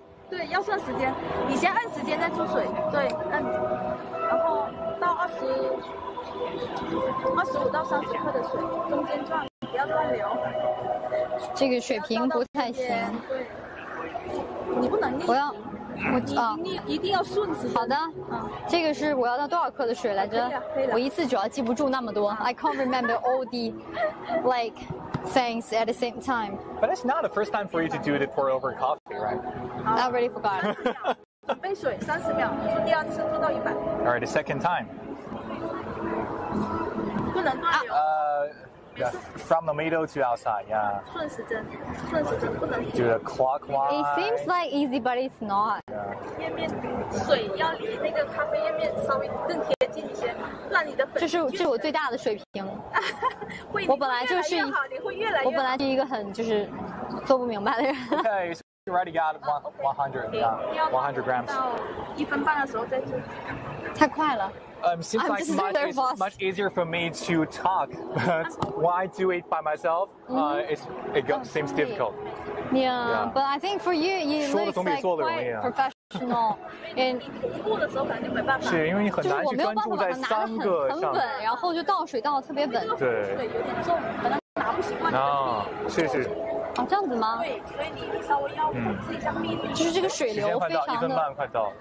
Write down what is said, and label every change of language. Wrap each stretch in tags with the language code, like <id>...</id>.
<zh>对，要算时间，你先按时间再注水，对，按，然后到25到30克的水，中间转，不要乱流。这个水平不太行。你不能逆行，我要，我啊，一定要顺时间。好的，嗯，这个是我要到多少克的水来着？啊，可以了，我一次主要记不住那么多。</zh> <en>啊，I can't remember all the like things at the same time. But it's not the first time for you to do the pour over coffee, right? I already forgot.</en> <zh>准备水30秒，做第二次做到100。</zh> <en>All right, the second time.</en> <zh>不能乱流。</zh> <en>Yeah, from the middle to outside, yeah.</en> <zh>顺时针不能。</zh> <en>Do a clockwise. It seems like easy, but it's not.</en> <zh>水要离那个咖啡液面稍微更贴近一些，让你的粉。这是我最大的水平。我本来就是，我本来是一个很就是做不明白的人。</zh> <en>Okay, so you already got 100 grams.</en> <zh>1分半的时候再做。太快了。</zh> <en>Seems like much easier for me to talk, but when I do it by myself, it seems difficult. Yeah, but I think for you, you look like quite professional. professional. And</en> <zh>徒步的时候感觉没办法，是因为你很难去专注在三个上，就是、很稳，然后就倒水倒的特别稳，对，水有点重，可能拿不习惯的。啊，是是。啊，这样子吗？对，所以你稍微要控制一下密度，就是这个水流非常的。一分半快到。</zh>